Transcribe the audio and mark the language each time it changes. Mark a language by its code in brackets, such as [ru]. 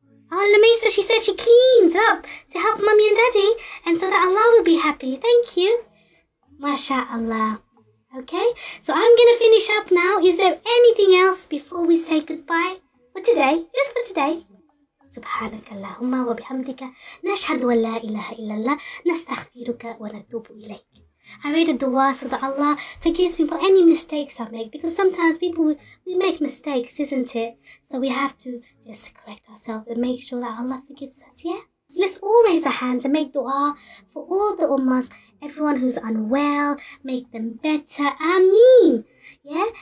[en] Oh, Lamisa, she said she cleans up to help mummy and daddy, and so that Allah will be happy. Thank you. Masha'Allah. Okay, so I'm going to finish up now. Is there anything else before we say goodbye for today? Just for today. [ar] سبحانك اللهم وبحمدك نشهد أن لا إله إلا الله نستغفرك ونتوب إليك. [en] I read a dua so that Allah forgives me for any mistakes I make, because sometimes we make mistakes, isn't it? So we have to just correct ourselves and make sure that Allah forgives us, yeah? So let's all raise our hands and make dua for all the ummas, everyone who's unwell, make them better. Ameen. Yeah?